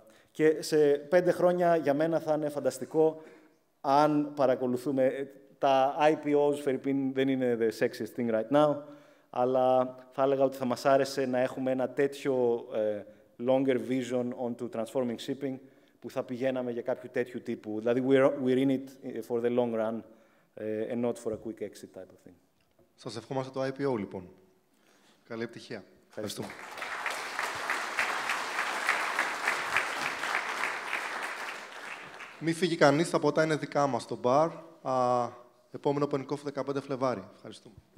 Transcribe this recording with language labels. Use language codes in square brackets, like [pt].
[el] Και σε 5 χρόνια για μένα θα είναι φανταστικό αν παρακολουθούμε τα IPOs, Φερρυππίν, δεν είναι [en] the sexiest thing right now, [el] αλλά θα έλεγα ότι θα μας άρεσε να έχουμε ένα τέτοιο [en] longer vision on to transforming shipping [el] που θα πηγαίναμε για κάποιο τέτοιο τύπου. [en] Δηλαδή, we're in it for the long run and not for a quick exit type of thing. [el] Σας ευχόμαστε το IPO, λοιπόν. Καλή επιτυχία. Ευχαριστούμε. Μη φύγει κανείς, τα ποτά είναι δικά μας στο bar. Επόμενο Open Coffee 15 Φλεβάρι. Ευχαριστούμε.